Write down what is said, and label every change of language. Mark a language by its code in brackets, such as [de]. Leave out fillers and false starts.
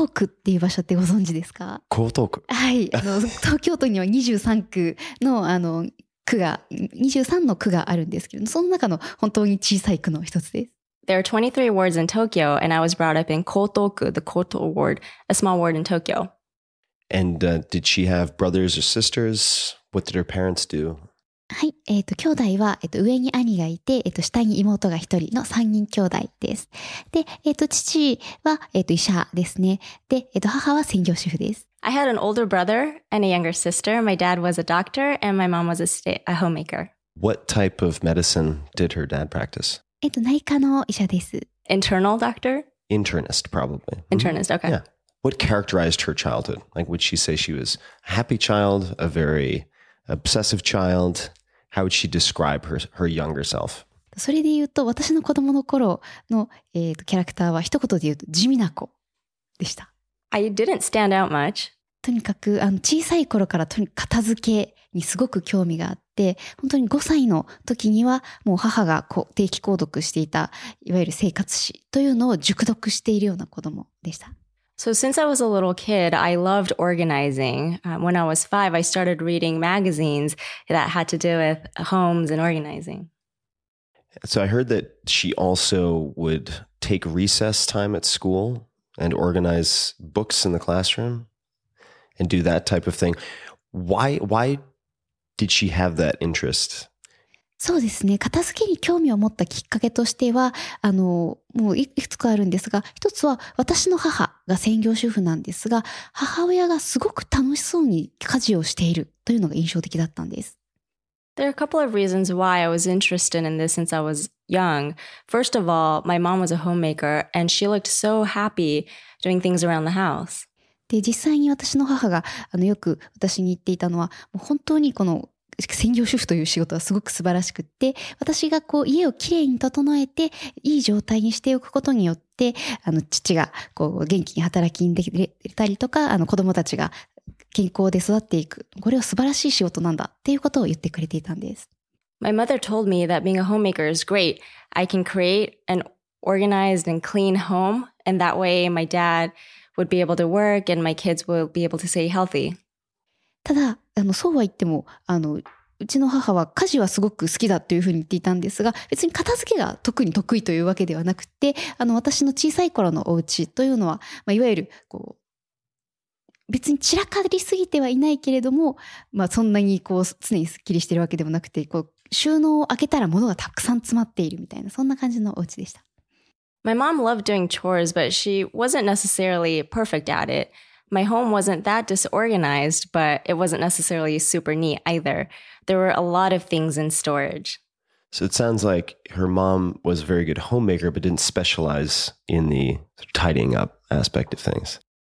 [ja] 江東区っていう場所ってご存知ですか? 江東区? はい、東京都には 23区の区が、23の区があるんですけど、その中の本当に小さい区の一つです。 [en] There are 23 wards in Tokyo, and I was brought up in Kotoku, the Koto ward, a small ward in Tokyo. And did she have brothers or sisters? What did her parents do? [ja] はい、兄弟は、上に兄がいて、下に妹が1人の3人兄弟です。で、父は、医者ですね。で、母は専業主婦です。 [en] I had an older brother and a younger sister. My dad was a doctor, and my mom was a homemaker. What type of medicine did her dad practice? [ja] 内科の医者です。 [en] Internal doctor? Internist, probably. Internist, okay. Yeah. What characterized her childhood? Like, would she say she was a happy child, a very obsessive child? How would she describe her younger self? [ja] それで言うと私の子供の頃の、キャラクターは一言で言うと地味な子でした。 [en] I didn't stand out much. [ja] とにかく小さい頃から片付けにすごく興味があって、本当に5歳の時にはもう母が定期購読していたいわゆる生活史というのを熟読しているような子供でした。 [en] So since I was a little kid, I loved organizing. When I was 5, I started reading magazines that had to do with homes and organizing. So I heard that she also would take recess time at school and organize books in the classroom and do that type of thing. Why did she have that interest? [ja] そうですね。片付けに興味を持ったきっかけとしては、もういくつかあるんですが、一つは私の母が専業主婦なんですが、母親がすごく楽しそうに家事をしているというのが印象的だったんです。 [en] There are a couple of reasons why I was interested in this since I was young. First of all, my mom was a homemaker and she looked so happy doing things around the house. [ja] で、実際に私の母がよく私に言っていたのは、もう本当にこの専業主婦という仕事はすごく素晴らしくって、私がこう家をきれいに整えていい状態にしておくことによって、父がこう元気に働きに出たりとか、子供たちが健康で育っていく、これは素晴らしい仕事なんだっていうことを言ってくれていたんです。 [en] My mother told me that being a homemaker is great. I can create an organized and clean home, and that way my dad would be able to work and my kids will be able to stay healthy. [ja] ただそうは言っても、うちの母は家事はすごく好きだというふうに言っていたんですが、別に片付けが特に得意というわけではなくて、私の小さい頃のお家というのは、いわゆるこう別に散らかりすぎてはいないけれども、そんなにこう常にすっきりしているわけでもなくて、こう収納を開けたら物がたくさん詰まっているみたいな、そんな感じのお家でした。 [en] My mom loved doing chores, but she wasn't necessarily perfect at it. My home wasn't that disorganized, but it wasn't necessarily super neat either. There were a lot of things in storage. So it sounds like her mom was a very good homemaker, but didn't specialize in the tidying up aspect of things.